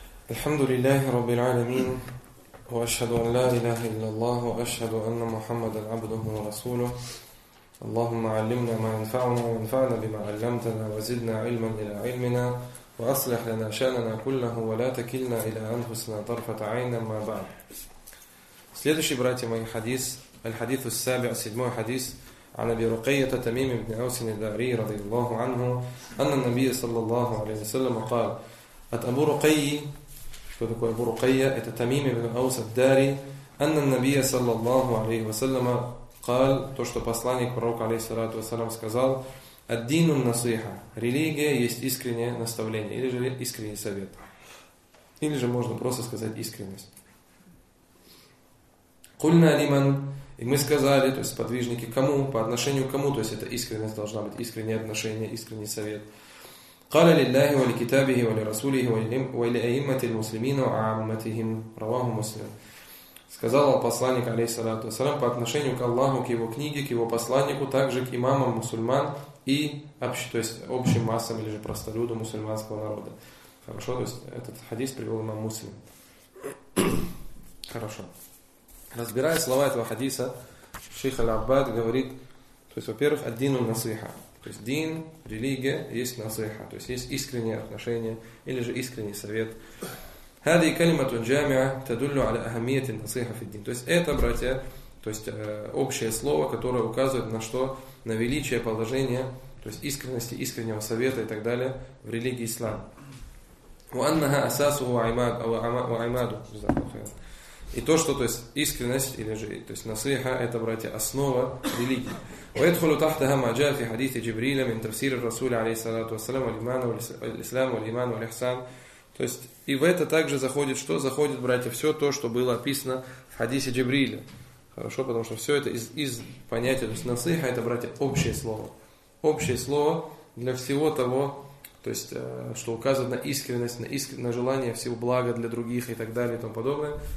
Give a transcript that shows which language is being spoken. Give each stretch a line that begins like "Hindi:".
Arabic: الحمد لله رب العالمين وأشهد أن لا إله إلا الله وأشهد أن محمد عبده ورسوله اللهم علمنا ما ينفعنا وانفعنا بما علمتنا وزدنا علما إلى علمنا وأصلح لنا شأننا كله ولا تكلنا إلى أنفسنا طرفة عين ما بعد.
Russian: Следующий, братья мои, хадис,
Arabic: الحديث السابع,
Russian: седьмой хадис,
Arabic: عن أبي رقية تميم بن أوس الدارمي رضي الله عنه أن النبي صلى الله عليه وسلم قال أت أبو رقي
Russian: Что такое Абу Рукайя? Это Тамим ибн Аус ад-Дари. Анна ан-Набия саллаллаху алейхи ва саллама قال, то, что посланник пророка алейхиссалату ва саллям сказал, ад-дину ан-насиха. Религия есть искреннее наставление, или же искренний совет. Или же можно просто сказать искренность. Кульна лиман. И мы сказали, то есть подвижники кому, по отношению к кому, то есть это искренность должна быть, искреннее отношение, искренний совет.
Arabic: قال لله ولكتابه ولرسوله ولأئمة المسلمين وعامتهم رواه مسلم.
Russian: Сказал посланник عليه الصلاة والسلام по отношению к Аллаху, к его книге, к его посланнику, также к имамам мусульман и то есть общим массам или же простолюду мусульманского народа. Хорошо, то есть этот хадис привел имам Муслим. Хорошо. Разбирая слова этого хадиса, шейх Аль-Аббад говорит, то есть во-первых, ад-дину насиха. То есть дин, религия, есть насиха, то есть есть искреннее отношение или же искренний совет.
Arabic: هذه كلمة جامعة تدل على أهمية النصيحة في الدين.
Russian: То есть это, братья, то есть общее слово, которое указывает на что? На величие положения, то есть искренности, искреннего совета и так далее в религии ислам.
Arabic: وأنها أساسه وعماد
Russian: И то, что то есть искренность или же то есть насиха, это, братья, основа религии.
Arabic: ويدخل تحتها ما جاء في حديث جبريل من تفسير الرسول عليه الصلاة والسلام والإيمان والإسلام والإيمان والإحسان.
Russian: То есть и в это также заходит что? Заходит, братья, все то, что было описано в хадисе Джибриля. Хорошо, потому что все это из понятия, то есть насиха, это, братья, общее слово. Общее слово для всего того, то есть, что указывает на искренность, на желание всего блага для других и так далее и тому подобное.